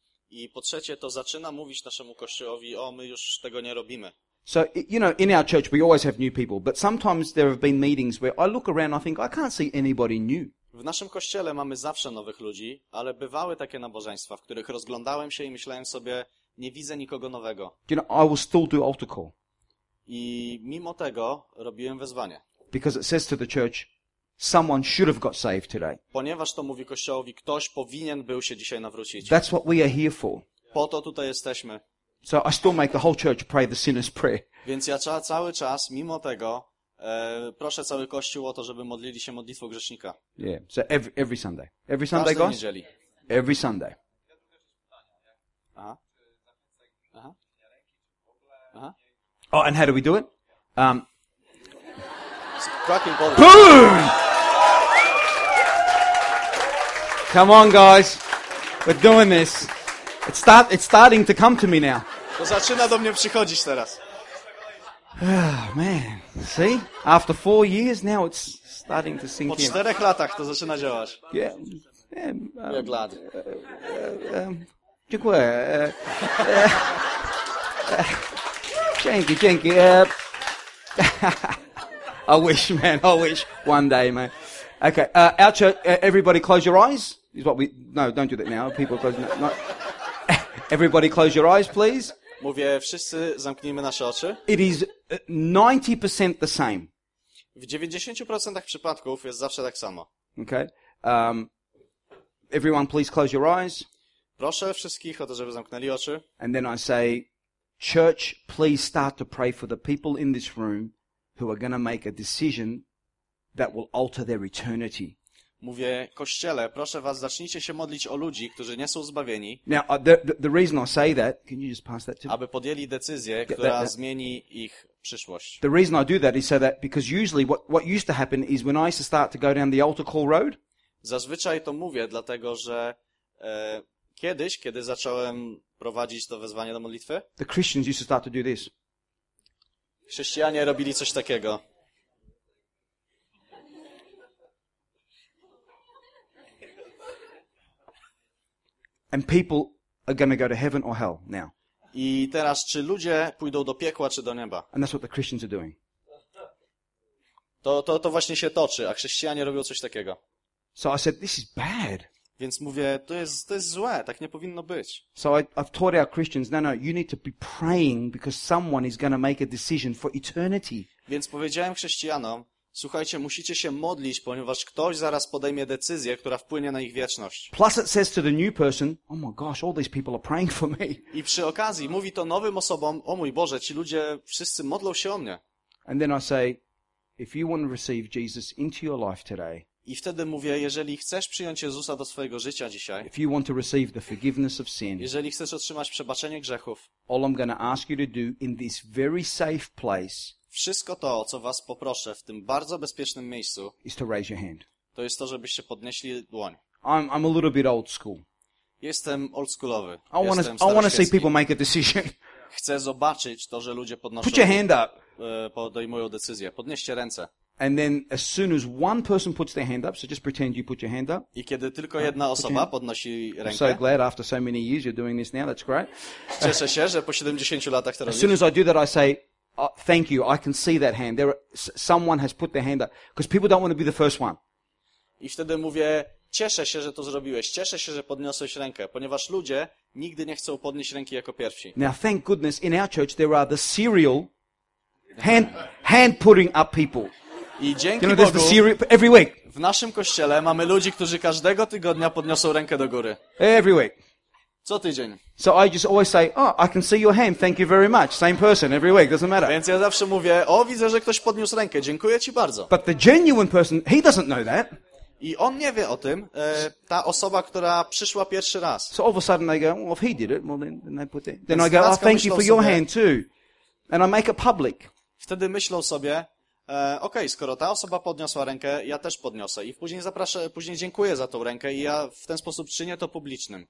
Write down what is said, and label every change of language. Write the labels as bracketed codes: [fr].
[pl] I po trzecie to zaczyna mówić naszemu kościołowi, o, my już tego nie robimy. [en] So, you know, in our church we always have new people, but sometimes there have been meetings where I look around and I think I can't see anybody new. [pl] W naszym kościele mamy zawsze nowych ludzi, ale bywały takie nabożeństwa, w których rozglądałem się i myślałem sobie, nie widzę nikogo nowego. [en] You know, I will still do altar call. [pl] I mimo tego robiłem wezwanie. [en] Because it says to the church, someone should have got saved today. [pl] Ponieważ to mówi kościołowi, ktoś powinien był się dzisiaj nawrócić. [en] That's what we are here for. [pl] Po to tutaj jesteśmy. [en] So I still make the whole church pray the sinner's prayer. [pl] Więc ja cały czas, mimo tego, proszę cały kościół o to, żeby modlili się modlitwą grzesznika. [en] Yeah. So every Sunday. Every Sunday, [pl] każdej niedzieli. [en] Every Sunday. Aha. Oh, and how do we do it? Cracking bottle. Boom! Come on, guys. We're doing this. It's starting to come to me now. [pl] To zaczyna do mnie przychodzić teraz. [en] Oh, man, see? After 4 years, now it's starting to sink in. [pl] Po 4 latach to zaczyna działać. [en] Yeah. We're glad. [pl] Dziękuję. Dzięki. [en] I wish, man. I wish one day, man. Okay. Our church. Everybody, close your eyes. Is what we. No, don't do that now. People, close. No. Everybody, close your eyes, please. [pl] Mówię, wszyscy zamknijmy nasze oczy. [en] It is 90% the same. [pl] W 90% przypadków jest zawsze tak samo. [en] Okay. Everyone please close your eyes. [pl] Proszę wszystkich o to, żeby zamknęli oczy. [en] And then I say, church, please start to pray for the people in this room who are going to make a decision that will alter their eternity. [pl] Mówię, kościele, proszę was, zacznijcie się modlić o ludzi, którzy nie są zbawieni. [en] Now, the reason I say that, can you just pass that to me? [pl] Aby podjęli decyzję, która zmieni ich przyszłość. [en] The reason I do that is so that, because usually what used to happen is when I used to start to go down the altar call road. [pl] Zazwyczaj to mówię, dlatego że kiedyś, kiedy zacząłem prowadzić to wezwanie do modlitwy, [en] the Christians used to start to do this. [pl] Chrześcijanie robili coś takiego. [en] And people are going to go to heaven or hell now. [pl] I teraz czy ludzie pójdą do piekła czy do nieba? [en] And that's what the Christians are doing. [pl] To właśnie się toczy, a chrześcijanie robią coś takiego. [en] So I said, this is bad. [pl] Więc mówię, to jest złe, tak nie powinno być. [en] So I've taught our Christians, no, you need to be praying because someone is going to make a decision for eternity. [pl] Więc powiedziałem chrześcijanom, słuchajcie, musicie się modlić, ponieważ ktoś zaraz podejmie decyzję, która wpłynie na ich wieczność. [en] Plus it says to the new person, oh my gosh, all these people are praying for me. [pl] I przy okazji mówi to nowym osobom, o mój Boże, ci ludzie wszyscy modlą się o mnie. [en] And then I say, if you want to receive Jesus into your life today. [pl] I wtedy mówię, jeżeli chcesz przyjąć Jezusa do swojego życia dzisiaj, [en] if you want to receive the forgiveness of sin, [pl] jeżeli chcesz otrzymać przebaczenie grzechów, [en] all I'm going to ask you to do in this very safe place, [pl] wszystko to, o co was poproszę w tym bardzo bezpiecznym miejscu, [en] is to raise your hand. [pl] To jest to, żebyście podnieśli dłoń. [en] I'm a little bit old school. [pl] Jestem oldschoolowy. [en] I want to see people make a decision. [pl] Chcę zobaczyć to, że ludzie podnoszą. [en] Put your hand up. [pl] Podejmują decyzję. Podnieście ręce. [en] And then as soon as one person puts their hand up, so just pretend you put your hand up. [pl] I kiedy tylko jedna osoba podnosi rękę. [en] I'm so glad after so many years you're doing this now, that's great. [pl] Cieszę się, że po 70 latach teraz. [en] As soon as I do that, I say, oh, thank you, I can see that hand. Someone has put their hand up. Because people don't want to be the first one. [pl] I wtedy mówię, cieszę się, że to zrobiłeś. Cieszę się, że podniosłeś rękę. Ponieważ ludzie nigdy nie chcą podnieść ręki jako pierwsi. [en] Now thank goodness in our church there are the serial hand putting up people. [pl] I dzięki Bogu, [en] the serial, every week. [pl] W naszym kościele mamy ludzi, którzy każdego tygodnia podniosą rękę do góry. [en] Every week. [pl] Co tydzień. [en] So I just always say, oh, I can see your hand, thank you very much. Same person every week, doesn't matter. [pl] Więc ja zawsze mówię, o, widzę, że ktoś podniósł rękę, dziękuję ci bardzo. [en] But the genuine person, he doesn't know that. [pl] I on nie wie o tym, ta osoba, która przyszła pierwszy raz. [en] So all of a sudden they go, well, if he did it, well, then they put it. Then I go, oh, thank you for your hand too. And I make it public. [pl] Wtedy myślą sobie, okej, skoro ta osoba podniosła rękę, ja też podniosę. I później dziękuję za tą rękę i ja w ten sposób czynię to publicznym.